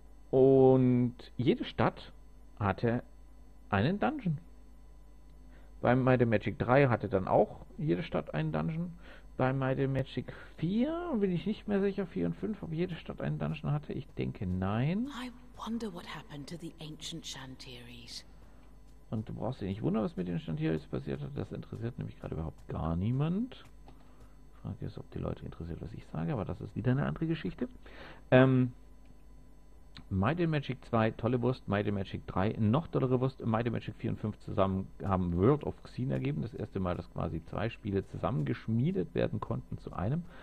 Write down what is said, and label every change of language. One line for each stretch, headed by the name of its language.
German: Und jede Stadt hatte einen Dungeon. Bei Might and Magic 3 hatte dann auch jede Stadt einen Dungeon. Bei Might and Magic 4 bin ich nicht mehr sicher, 4 und 5, ob jede Stadt einen Dungeon hatte. Ich denke, nein.
English: I wonder what happened to the ancient Chantiris.
German: Und du brauchst dich nicht wundern, was mit den Chantiris passiert hat. Das interessiert nämlich gerade überhaupt gar niemand. Die Frage ist, ob die Leute interessiert, was ich sage, aber das ist wieder eine andere Geschichte. Might and Magic 2, tolle Wurst. Might and Magic 3, noch tollere Wurst. Might and Magic 4 und 5 zusammen haben World of Xeen ergeben. Das erste Mal, dass quasi 2 Spiele zusammengeschmiedet werden konnten zu einem.